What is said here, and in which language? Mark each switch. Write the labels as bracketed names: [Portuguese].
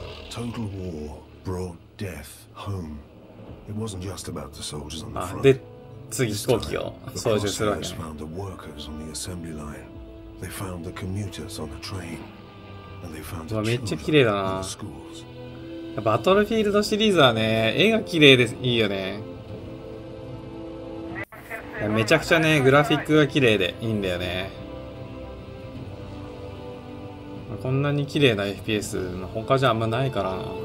[English] Total war brought death home. It wasn't just about the soldiers on the front. [Japanese] で、次飛行機を操縦するわけ。 [English] The crossfires found the workers on the assembly line. They found the commuters on the train. And they found the children in the schools. [Japanese] めっちゃ綺麗だな。バトルフィールドシリーズはね、絵が綺麗です。いいよね。めちゃくちゃね、グラフィックが綺麗でいいんだよね。こんなに綺麗な FPS 他じゃあんまないからな。